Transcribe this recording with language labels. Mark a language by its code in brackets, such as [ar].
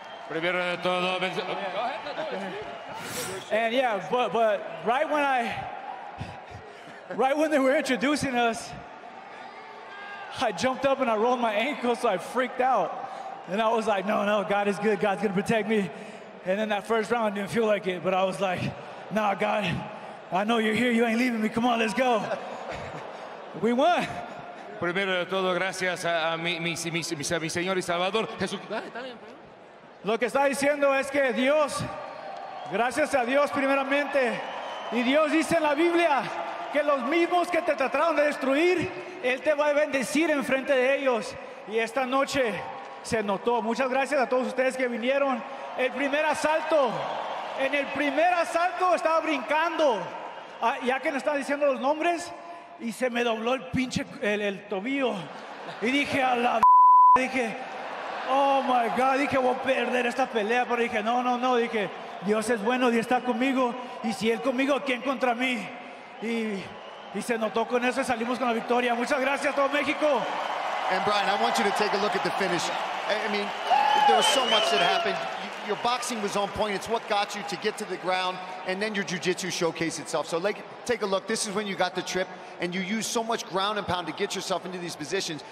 [en] And yeah, but right when they were introducing us, I jumped up and I rolled my ankle, so I freaked out. And I was like, no, God is good. God's going to protect me. And then that first round, I didn't feel like it, but I was like, nah, God, I know you're here. You ain't leaving me. Come on, let's go. We won. [es] Primero de todo, gracias a mi Señor y Salvador, Jesús. Lo que está diciendo es que Dios, gracias a Dios primeramente, y Dios dice en la Biblia que los mismos que te trataron de destruir, Él te va a bendecir en frente de ellos. Y esta noche se notó. Muchas gracias a todos ustedes que vinieron. El primer asalto, en el primer asalto estaba brincando, ya que no estaba diciendo los nombres, y se me dobló el pinche, el tobillo. Y dije, a la dije, [en] oh my God, [es] dije, voy a perder esta pelea, pero dije, no, dije, Dios es bueno, Dios está conmigo, y si Él conmigo, ¿quién contra mí? Y se notó con eso y salimos con la victoria. Muchas gracias a todo México. [en] And Brian, I want you to take a look at the finish. I mean, there was so much that happened. Your boxing was on point. It's what got you to get to the ground, and then your jiu-jitsu showcased itself. So, like, take a look. This is when you got the trip, and you used so much ground and pound to get yourself into these positions.